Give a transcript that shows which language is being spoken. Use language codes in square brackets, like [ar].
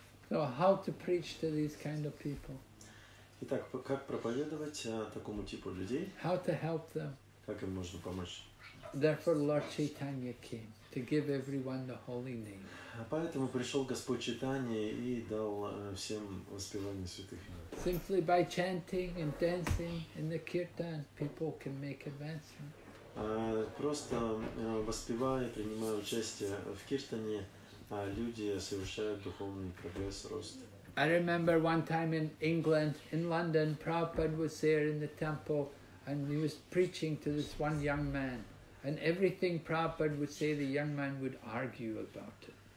[en] So how to preach to these kind of people? [ru] Итак, как проповедовать такому типу людей? [en] How to help them? [ru] Как им можно помочь? [en] Therefore, Lord Chaitanya came to give everyone the holy name. [ru] Поэтому пришел Господь Читания и дал всем воспевание святых имен. [en] Simply by chanting and dancing in the kirtan, people can make advancement. [ru] Просто воспевая, принимая участие в киртане, люди совершают духовный прогресс, рост. [en] I remember one time in England, in London, Prabhupada was there in the temple, and he was preaching to this one young man. And everything Prabhupada would say, the young man would argue about it.